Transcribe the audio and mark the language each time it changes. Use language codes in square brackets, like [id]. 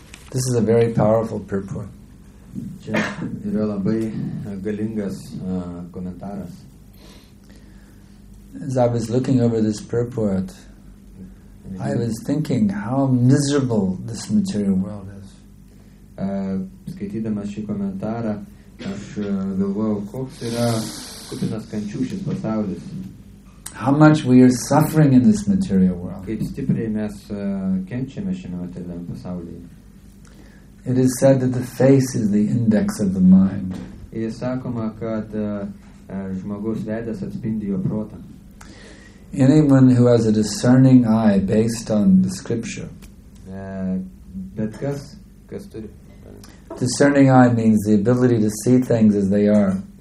[en] This is a very powerful purport. [lt] Yra labai galingas komentaras. [en] As I was looking over this purport, I was thinking how miserable this material world is. [lt] Skaitydamas šį komentarą, aš galvojau, koks yra kupinas kančių šis pasaulis. [en] How much we are suffering in this material world. [lt] Kaip stipriai mes kenčiame šiame materialiame pasaulyje. [en] It is said that the face is the index of the mind. [lt] Yra sakoma, kad žmogaus veidas atspindi jo protą. [en] Anyone who has a discerning eye based on the scripture. [lt] Bet kas turi? [en] Discerning eye means the ability to see things as they are.